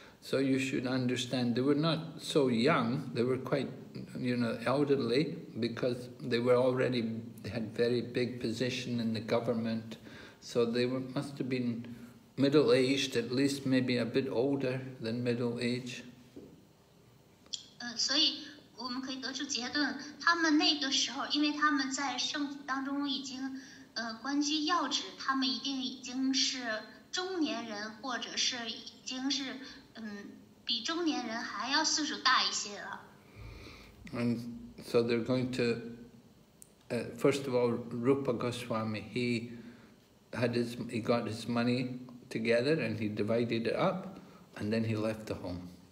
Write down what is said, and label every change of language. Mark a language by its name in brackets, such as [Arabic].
[English] So you should understand, they were not so young, they were quite, you know, elderly, because they were already, they had very big position in the government, so they were, must have been middle-aged, at least maybe a bit older than middle-age. [Chinese] 所以我们可以得出结论，他们那个时候，因为他们在政府当中已经 关居要职，他们一定已经是中年人，或者是已经是比中年人还要岁数大一些了。 [English] And so they're going to, first of all, Rupa Goswami, he got his money together and he divided it up, and then he left the home.